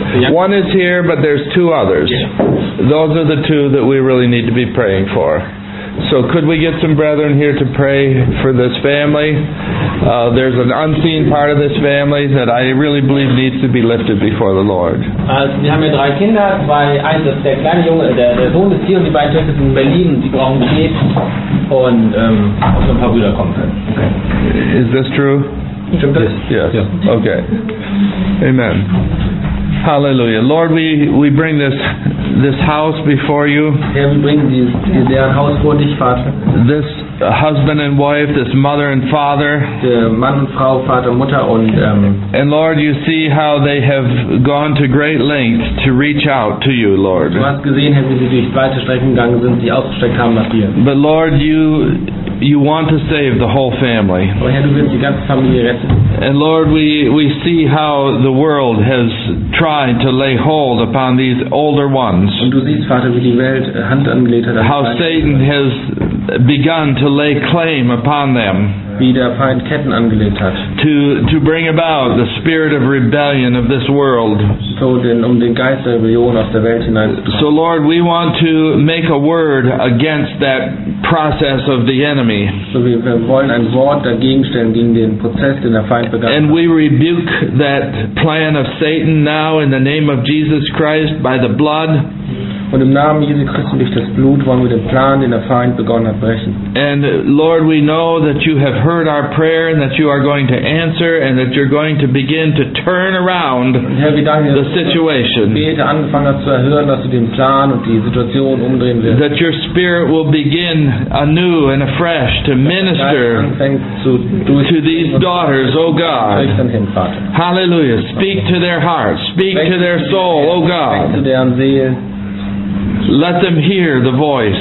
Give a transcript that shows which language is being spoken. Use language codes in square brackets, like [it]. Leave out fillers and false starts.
[en] One is here, but there's two others. Those are the two that we really need to be praying for. So could we get some brethren here to pray for this family? There's an unseen part of this family that I really believe needs to be lifted before the Lord. [de] Wir haben ja drei Kinder, der kleine Junge, der Sohn ist hier und die beiden Töchter sind in Berlin und sie brauchen Gebet und ob so ein paar Brüder kommen können. [en] Okay. Is this true? Yes. Okay. Amen. Hallelujah. Lord, we bring this house before you. [de] Ja, wir bringen deren Haus vor dich, Vater. [en] This husband and wife, this mother and father. [de] Der Mann, Frau, Vater, Mutter und [en] And Lord, you see how they have gone to great lengths to reach out to you, Lord. [de] Du hast gesehen, wie sie durch weite Strecken gegangen sind, sie ausgestreckt haben nach dir. [en] But Lord, you want to save the whole family. [de] Oh, Herr, du willst die ganze Familie retten. [en] And Lord, we see how the world has tried to lay hold upon these older ones. [de] Und du siehst, Vater, wie die Welt Hand angelegt hat. [en] How Satan has begun to lay claim upon them. [de] Wie der Feind Ketten angelegt hat. [en] To bring about the spirit of rebellion of this world. [de] So den Geist der Rebellion aus der Welt hinein. [en] So Lord, we want to make a word against that process of the enemy. [de] So wir wollen ein Wort dagegen stellen gegen den Prozess, den der Feind begann. [en] And we rebuke that plan of Satan now in the name of Jesus Christ by the blood. [de] Und im Namen Jesu Christi durch das Blut wollen wir den Plan, den der Feind begonnen hat, brechen. [en] And Lord, we know that you have heard our prayer and that you are going to answer and that you're going to begin to turn around the situation. [de] Herr, wir danken, dass du angefangen hast zu erhören, dass du den Plan und die Situation umdrehen wirst. [en] That your spirit will begin anew and afresh to minister to these daughters, O God. Hallelujah. Speak to their hearts. Speak to their soul, O God. Speak to their Seelen. Let them hear the voice.